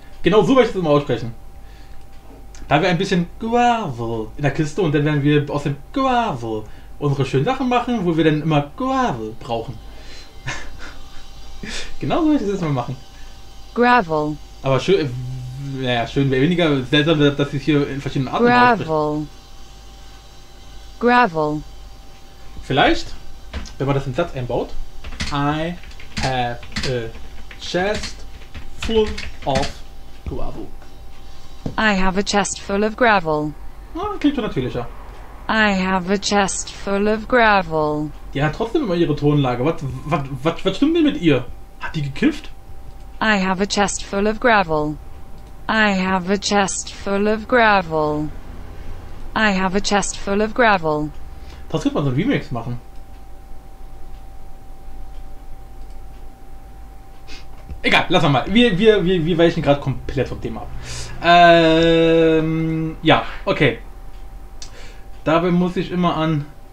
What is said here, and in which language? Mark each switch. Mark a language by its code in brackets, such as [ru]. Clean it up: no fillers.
[de] Genau so werde ich das immer aussprechen. Da wir ein bisschen Gravel in der Kiste und dann werden wir aus dem Gravel unsere schönen Sachen machen, wo wir dann immer Gravel brauchen. Genau so werde ich das jetzt mal machen. Gravel. Aber schön, naja, schön wäre weniger seltsam, dass ich hier in verschiedenen Arten Gravel. Ausspreche. Gravel. Vielleicht, wenn man das im Satz einbaut. [en] I have a chest full of gravel. I have a chest full of gravel. [de] Ah, klingt schon natürlicher. [en] I have a chest full of gravel. [de] Die hat trotzdem immer ihre Tonlage. Was stimmt denn mit ihr? Hat die gekifft? [en] I have a chest full of gravel. I have a chest full of gravel. I have a chest full of gravel. [de] Das könnte man so ein Remix machen. Egal, lass mal. Wir weichen gerade komplett vom Thema ab. Ja, okay. Dabei muss ich immer an.